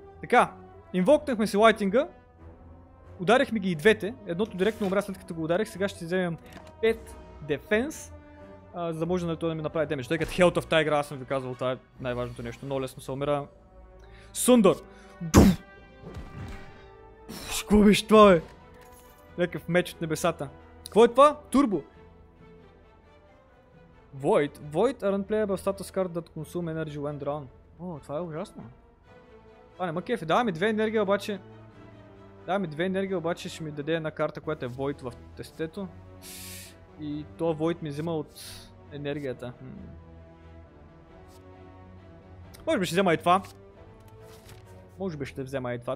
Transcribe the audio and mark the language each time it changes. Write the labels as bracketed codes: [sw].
[bg] Така, инволкнахме си лайтинга. Ударихме ги и двете, едното директно умря след като го ударих, сега ще вземем 5 дефенс, за да може да ми направи демидж. Тъй като хелта в тази игра, аз съм ви казвал, това е най-важното нещо, много лесно се умира. Сундър! Какво беше това, бе? Някакъв меч от небесата. Какво е това? Турбо! [en] Void? Void aren't playable status card that consume energy when drawn. [bg] О, това е ужасно. Това не ма кефи, давай ми 2 енергия, обаче. Дай ми 2 енергия, обаче ще ми даде една карта, която е Void в тестето. И то Void ми взима от енергията. Може би ще взема и това. Може би ще взема и това.